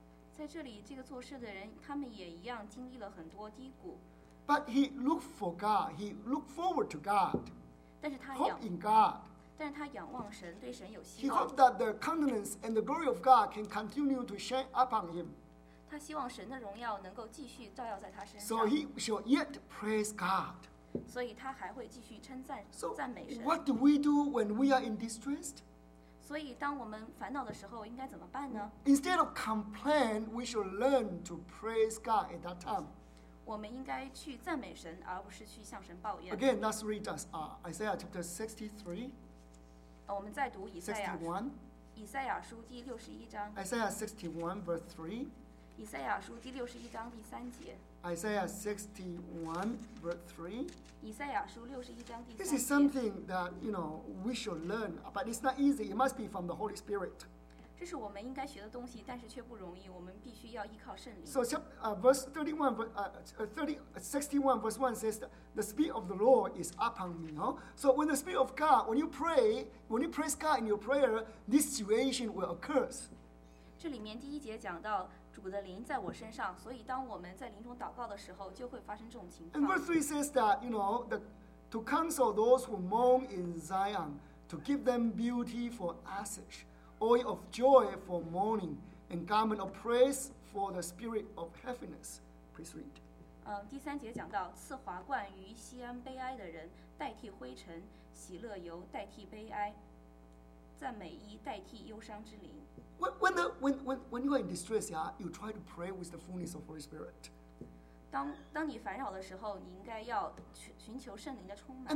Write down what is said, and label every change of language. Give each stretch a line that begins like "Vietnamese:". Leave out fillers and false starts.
Chinese: 在这里，这个做事的人，他们也一样经历了很多低谷。
English: But he looked for God. He looked forward to God.
Chinese: 但是他
English: hope in God.
Chinese: 但是他仰望神，对神有希望。
English: He hoped that the countenance and the glory of God can continue to shine upon him.
Chinese: 他希望神的荣耀能够继续照耀在他身上。
English: So he shall yet praise God.
Chinese: 所以他还会继续称赞、赞美神。
English: So what do we do when we are in distress?
Chinese: 所以当我们烦恼的时候应该怎么办呢？
English: Instead of complain, we should learn to praise God at that time.
Chinese: 我们应该去赞美神，而不是去向神抱怨。
English: Again, let's read Isaiah chapter 63.
Chinese: 我们再读以赛亚书。以赛亚书第61章。
English: Isaiah 61:3.
Chinese: 以赛亚书第61章第三节。
English: Isaiah 61, verse 3.
Chinese: 以赛亚书六十一章第三节。
English: This is something that you know we should learn, but it's not easy. It must be from the Holy Spirit.
Chinese: 这是我们应该学的东西，但是却不容易。我们必须要依靠圣灵。
English: So verse 61 says that the Spirit of the Lord is upon me. Huh? So when the Spirit of God, when you pray, when you praise God in your prayer, this situation will occur.
Chinese: 这里面第一节讲到。主的灵在我身上，所以当我们在灵中祷告的时候，就会发生这种情况。
English: And verse 3 says that you know the to counsel those who mourn in Zion, to give them beauty for ashes, oil of joy for mourning, and garment of praise for the spirit of heaviness. Please read.
Chinese: 第三节讲到赐华冠于锡安悲哀的人，代替灰尘，喜乐油代替悲哀，赞美衣代替忧伤之灵。
English: When you are in distress, yeah, you try to pray with the fullness of Holy Spirit.
Chinese: 当你烦扰的时候，你应该要寻求圣灵的充满。